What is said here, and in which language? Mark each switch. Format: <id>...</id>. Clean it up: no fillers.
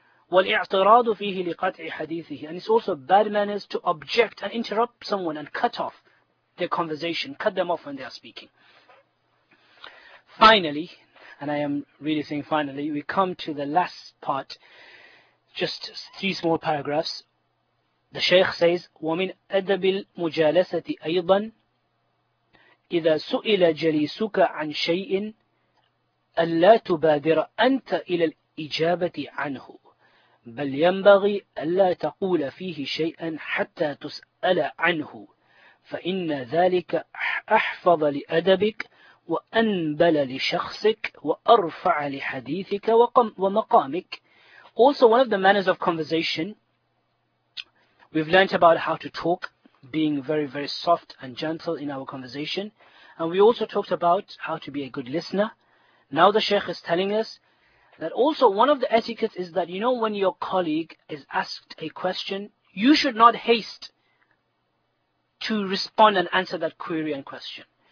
<ar>وَالْإِعْتَرَادُ فِيهِ لِقَطْعِ حَدِيثِهِ</ar> <en>And it's also bad manners to object and interrupt someone and cut off their conversation, cut them off when they are speaking. Finally, and I am really saying finally, we come to the last part, just three small paragraphs. The Shaykh says,</en> <ar>وَمِنْ أَدَبِ الْمُجَالَسَةِ أَيْضًا إذا سئل جليسك عن شيء ألا تبادر أنت إلى الإجابة عنه بل ينبغي ألا تقول فيه شيئا حتى تسأل عنه فإن ذلك أحفظ لأدبك وأنبل لشخصك وأرفع لحديثك ومقامك.</ar> <en>Also, one of the manners of conversation, we've learned about how to talk, being very, very soft and gentle in our conversation. And we also talked about how to be a good listener. Now the Shaykh is telling us that also one of the etiquettes is that, you know, when your colleague is asked a question, you should not haste to respond and answer that query and question.</en>